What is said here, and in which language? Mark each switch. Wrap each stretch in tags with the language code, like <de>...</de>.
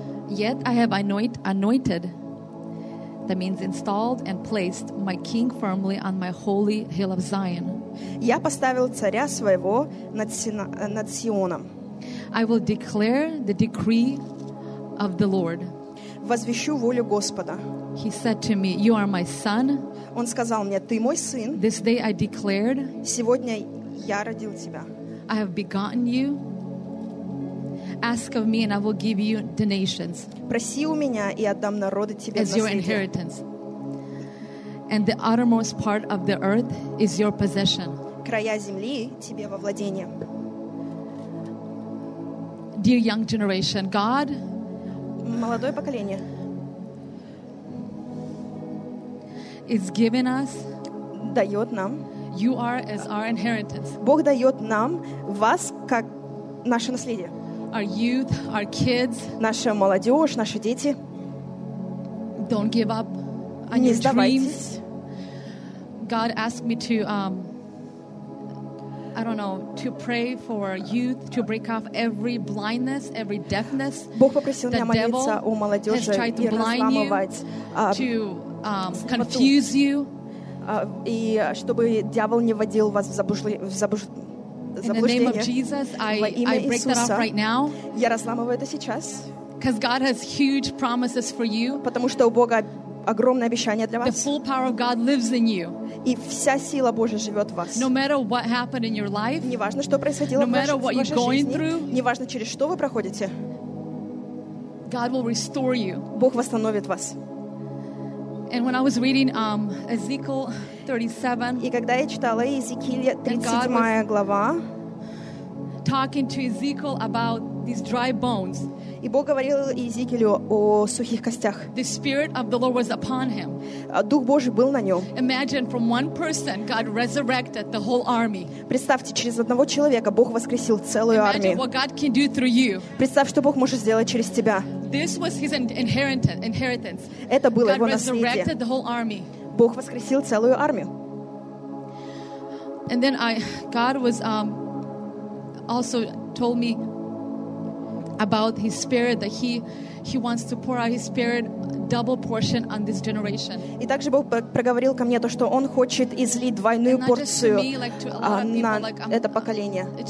<en>Yet I have anointed, that means installed and placed, my king firmly on my holy hill of Zion.</en> <ru>Я поставил царя своего над Сионом.</ru> <en>I will declare the decree of the Lord.</en> <ru>Возвещу волю Господа.</ru> <en>He said to me, "You are my son."</en> <ru>Он сказал мне, ты мой сын.</ru> <en>This day I declared.</en> <ru>Сегодня я родил тебя.</ru> <en>I have begotten you. Ask of me, and I will give you the nations.</en> <ru>Проси у меня, и отдам народы тебе наследие.</ru> <en>As your inheritance. And the uttermost part of the earth is your possession.</en> <ru>Края земли тебе во владение.</ru> <en>Dear young generation, God.</en> <ru>Молодое поколение.</ru> <en>Is giving us.</en> <ru>Дает нам.</ru> <en>You are as our inheritance.</en> <ru>Бог дает нам вас как наше наследие.</ru> <en>Our youth, our kids.</en> <ru>Наша молодежь, наши дети.</ru> <en>Don't give up on</en> <ru>Не</ru> <en>your</en> <ru>сдавайтесь.</ru> <en>Dreams. God asked me to, I don't know, to pray for youth to break off every blindness, every deafness.</en> <ru>Бог попросил меня молиться о молодежи и разламывать,</ru> <en>to confuse you,</en> <ru>и чтобы дьявол не вводил вас в заблуждение.</ru> <en>In the name of Jesus, I break that off right now.</en> <ru>Я разламываю это сейчас.</ru> <en>Because God has huge promises for you.</en> <ru>Потому что у Бога огромное обещание для вас.</ru> <en>The full power of God lives in you.</en> <ru>И вся сила Божия живет в вас.</ru> <en>No matter what happened in your life,</en> <ru>не важно, что происходило</ru> <en>no matter what you're going through,</en> <ru>не важно, через что вы проходите,</ru> <en>God will restore you.</en> <ru>Бог восстановит вас.</ru> <en>And when I was reading Ezekiel 37,</en> <ru>и когда я читала Иезекииля 37 глава,</ru> <en>talking to Ezekiel about these dry bones.</en> <ru>И Бог говорил Иезекиилю о сухих костях.</ru> <en>The Spirit of the Lord was upon him.</en> <ru>Дух Божий был на нем.</ru> <en>Imagine from one person, God resurrected the whole army.</en> <ru>Представьте, через одного человека Бог воскресил целую армию.</ru> <en>Imagine what God can do through you.</en> <ru>Представь, что Бог может сделать через тебя.</ru> <en>This was his inheritance.</en> <ru>Это было</ru> <en>God</en> <ru>его наследие.</ru> <en>God resurrected the whole army.</en> <ru>Бог воскресил целую армию.</ru> <en>And then God was also told me about his spirit that he wants to pour out his spirit double portion on this generation.</en> <ru>И также Бог проговорил ко мне то, что он хочет излить двойную порцию на это поколение.</ru>